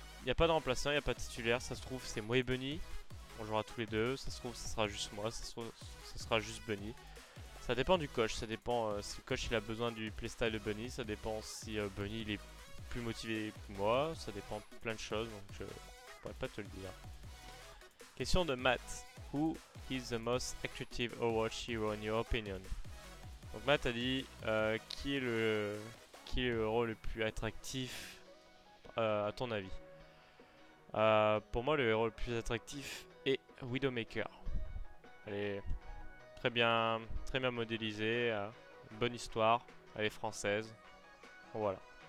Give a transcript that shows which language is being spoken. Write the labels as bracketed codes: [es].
[fr] Il n'y a pas de remplaçant, il n'y a pas de titulaire, ça se trouve c'est moi et Bunny. On jouera tous les deux, ça se trouve ça sera juste moi, ça sera juste Bunny. Ça dépend du coach, ça dépend si le coach il a besoin du playstyle de Bunny, ça dépend si Bunny il est plus motivé que moi, ça dépend plein de choses, donc pourrais pas te le dire. Question de Matt. [en] Who is the most attractive Overwatch hero in your opinion? [fr] Donc Matt a dit qui est le héros le plus attractif à ton avis. Pour moi, le héros le plus attractif est Widowmaker. Elle est très bien modélisée, une bonne histoire, elle est française. Voilà.